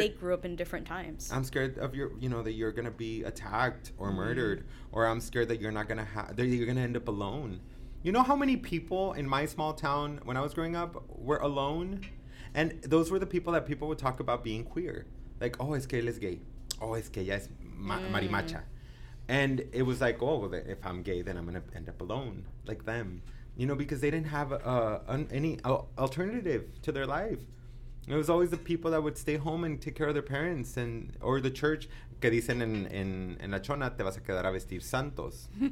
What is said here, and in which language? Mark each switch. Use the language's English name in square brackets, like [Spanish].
[English] Like, they grew up in different times. I'm scared of your, you know, that you're gonna be attacked or murdered, or I'm scared that you're not gonna have, that you're gonna end up alone. You know how many people in my small town when I was growing up were alone? And those were the people that people would talk about being queer. Like, oh, [Spanish] es que él es gay. [English] Oh, [Spanish] es que ella es marimacha. [English] And it was like, oh, well, if I'm gay, then I'm going to end up alone like them. You know, because they didn't have any alternative to their life. It was always the people that would stay home and take care of their parents and or the church. [Spanish] Que dicen en la chona, te vas a quedar a vestir santos.